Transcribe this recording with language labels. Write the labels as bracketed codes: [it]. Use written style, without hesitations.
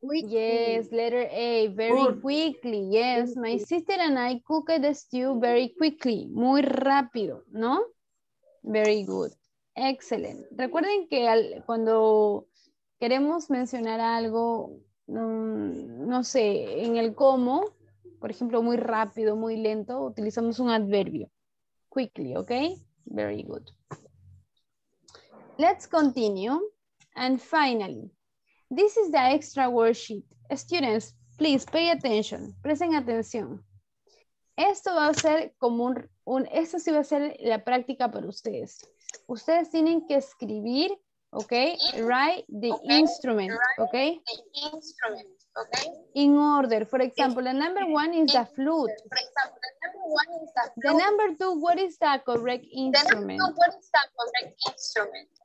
[en] Yes, my sister and I cooked the stew very quickly. [es] Muy rápido, ¿no? [en] Very good. Excellent. [es] Recuerden que cuando queremos mencionar algo, no sé, en el cómo, por ejemplo, muy rápido, muy lento, utilizamos un adverbio. [en] Quickly, ¿ok? Very good. Let's continue. And finally, this is the extra worksheet. Students, please pay attention. [es] Presten atención. Esto va a ser como esto sí va a ser la práctica para ustedes. Ustedes tienen que escribir, [en] Okay, write the instrument, okay? The instrument, okay? In order, for example, the number one is the flute. For example, the number one is the flute. The number two, what is the correct instrument? The number two, what is the correct instrument?